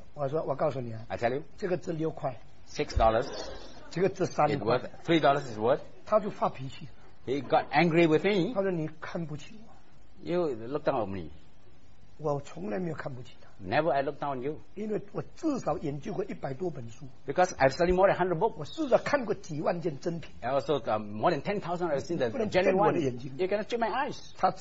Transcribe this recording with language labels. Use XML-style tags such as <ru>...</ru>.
<zh>我说我告诉你啊，</zh> <en>I tell you,</en> <zh>这个值6块。</zh> <en>6 dollars?</en> <zh>这个值3块。</zh> <en>It's worth, $3 is worth?</en> <zh>他就发脾气。</zh> <en>He got angry with me.</en> <zh>他说你看不起我。</zh> <en>You look down on me.</en> <zh>我从来没有看不起他。</zh> <en>Never I looked down on you.</en> <zh>因为我至少研究过100多本书。</zh> <en>Because I've studied more than 100 books.</en> <zh>我试着看过几万件真品。</zh> <en>And also more than 10,000 I've seen the genuine one. You cannot check my eyes.</en>